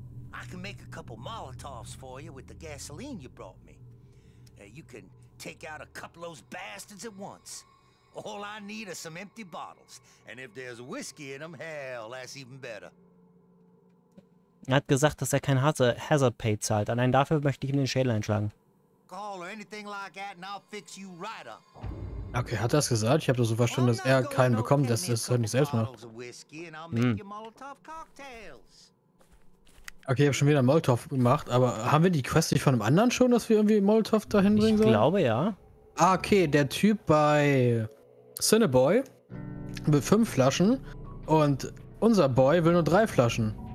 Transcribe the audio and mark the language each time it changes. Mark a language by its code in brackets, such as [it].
[en] I can make a couple Molotovs for you with the gasoline you brought me. You can take out a couple of those bastards at once. All I need are some empty bottles. And if there's whiskey in them, hell, that's even better. [de] Er hat gesagt, dass er kein Hazard Pay zahlt. Allein dafür möchte ich ihm den Schädel einschlagen. [en] Call or anything like that and I'll fix you right up. [de] Okay, hat er das gesagt? Ich habe das so verstanden, dass er keinen bekommt, dass er es halt nicht selbst macht. [en] Whiskey and I'll make you Molotov cocktails. [de] Okay, ich habe schon wieder einen Molotov gemacht, aber haben wir die Quest nicht von einem anderen schon, dass wir irgendwie Molotov da hinbringen sollen? Ich glaube ja. Ah, okay, der Typ bei Cineboy will 5 Flaschen und unser Boy will nur 3 Flaschen.